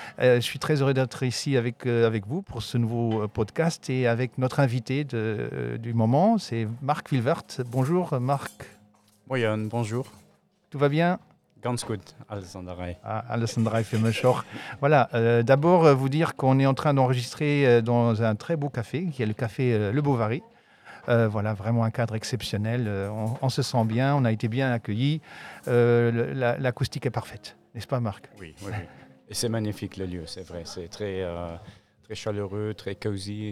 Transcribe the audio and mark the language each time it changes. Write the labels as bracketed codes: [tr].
[fr] Je suis très heureux d'être ici avec vous pour ce nouveau podcast et avec notre invité du moment, c'est Marc Wilvert. Bonjour Marc. Moyen, bonjour. Tout va bien? [de] Ganz gut, alles in der Reihe. Ah, alles in der Reihe, für mich auch. [fr] Voilà, d'abord vous dire qu'on est en train d'enregistrer dans un très beau café, qui est le café Le Bovary. Voilà, vraiment un cadre exceptionnel. On se sent bien, on a été bien accueillis. L'acoustique est parfaite, n'est-ce pas Marc? Oui. Et c'est magnifique le lieu, c'est vrai. C'est très, très chaleureux, très cosy.